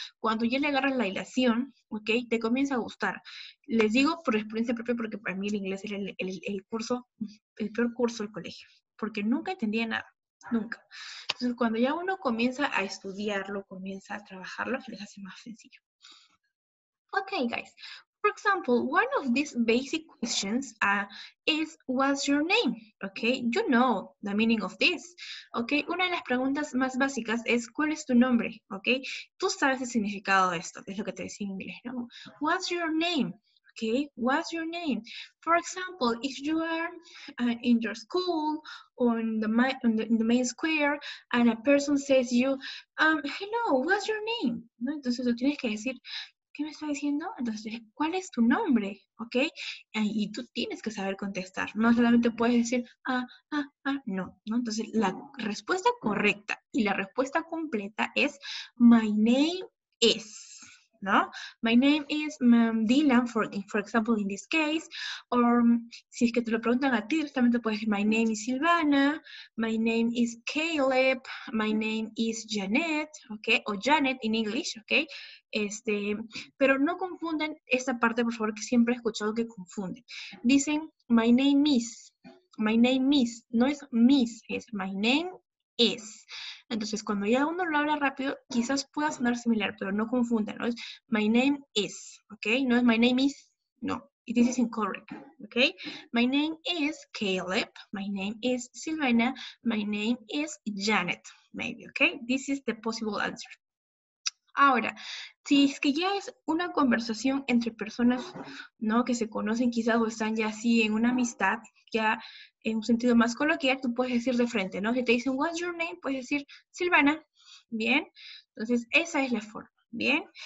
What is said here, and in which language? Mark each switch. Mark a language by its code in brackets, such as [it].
[es] Cuando ya le agarras la hilación, ¿ok? Te comienza a gustar. Les digo por experiencia propia, porque para mí el inglés era el curso, el peor curso del colegio, porque nunca entendía nada, nunca. Entonces, cuando ya uno comienza a estudiarlo, comienza a trabajarlo, se les hace más sencillo. [en] Ok, guys. For example, one of these basic questions is, what's your name? Ok, you know the meaning of this. [es] Ok, una de las preguntas más básicas es, ¿cuál es tu nombre? Ok, tú sabes el significado de esto, es lo que te decía en inglés, ¿no? [en] What's your name? Okay, what's your name? For example, if you are in your school or in the main square and a person says you, hello, what's your name? [es] ¿No? Entonces tú tienes que decir, ¿qué me está diciendo? Entonces, ¿cuál es tu nombre? Okay, y tú tienes que saber contestar. No solamente puedes decir, no, no. Entonces, la respuesta correcta y la respuesta completa es, [en] my name is. No, my name is Dylan, for example, in this case. Or [es] si es que te lo preguntan a ti, directamente puedes decir, [en] my name is Silvana, my name is Caleb, my name is Janet, okay, o Janet in English, okay. [es] Pero no confundan esta parte, por favor, que siempre he escuchado que confunden. Dicen, [en] my name is, [es] no es miss, es my name is. Entonces, cuando ya uno lo habla rápido, quizás pueda sonar similar, pero no confundan, ¿no? Es [en] my name is, [es] ¿ok? No es [en] my name is, no. This is incorrect, ¿ok? My name is Caleb, my name is Silvana, my name is Janet, maybe, ¿ok? This is the possible answer. [es] Ahora, si es que ya es una conversación entre personas, ¿no? Que se conocen quizás o están ya así en una amistad, ya en un sentido más coloquial, tú puedes decir de frente, ¿no? Si te dicen, [en] what's your name, [es] puedes decir, Silvana, ¿bien? Entonces, esa es la forma, ¿bien?